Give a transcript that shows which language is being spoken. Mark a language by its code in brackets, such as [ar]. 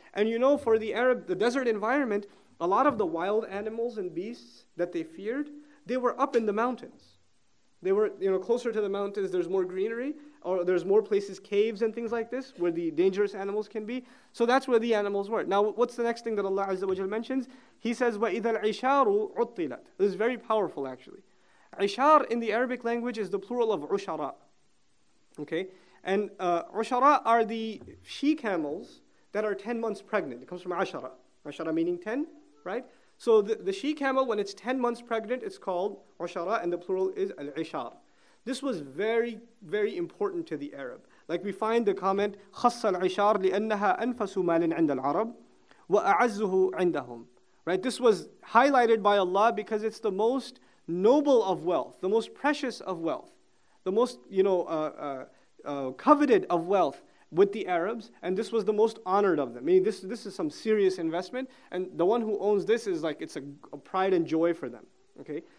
[en] And you know, for the Arab, the desert environment, a lot of the wild animals and beasts that they feared, they were up in the mountains. They were, you know, closer to the mountains, there's more greenery, or there's more places, caves and things like this, where the dangerous animals can be. So that's where the animals were. Now, what's the next thing that Allah Azza wa Jalla mentions? He says, [ar] وَإِذَا الْعِشَارُ عُطِّلَتْ. [en] This is very powerful, actually. عِشَار in the Arabic language is the plural of عُشَرَاء. Okay? And عُشَرَاء are the she-camels that are 10 months pregnant. It comes from عَشَرَاء. عَشَرَاء meaning 10, right? So the she-camel, when it's 10 months pregnant, it's called عُشَرَاء, and the plural is العِشَار. This was very, very important to the Arab. Like we find the comment, [ar] خَصَّ الْعِشَارِ لِأَنَّهَا أَنْفَسُ مَالٍ عِنْدَ الْعَرَبِ وَأَعَزُّهُ عِنْدَهُمْ. [en] Right, this was highlighted by Allah because it's the most noble of wealth, the most precious of wealth, the most, you know, coveted of wealth with the Arabs, and this was the most honored of them. I mean, this is some serious investment, and the one who owns this is like, it's a pride and joy for them, okay?